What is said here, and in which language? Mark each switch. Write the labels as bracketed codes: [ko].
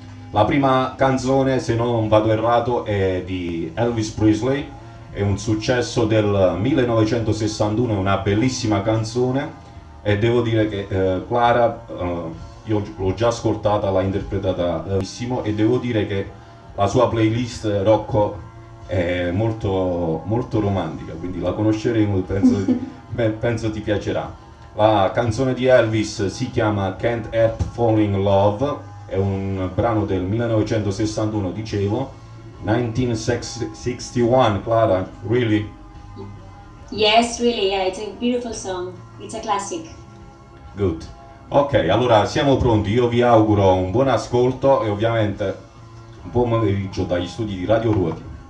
[it] La prima canzone, se non vado errato, è di Elvis Presley, è un successo del 1961, è una bellissima canzone e devo dire che Clara, io l'ho già ascoltata, l'ha interpretata benissimo e devo dire che la sua playlist rock è molto, molto romantica, quindi la conosceremo e penso ti piacerà. La canzone di Elvis si chiama Can't Help Falling in Love. È un brano del 1961, dicevo, 1961, Clara, really? [en] Yes, really, yeah, it's a beautiful song. It's a classic. [it] Good. Ok, allora siamo pronti. Io vi auguro un buon ascolto e ovviamente un buon pomeriggio dagli studi di Radio Ruoti.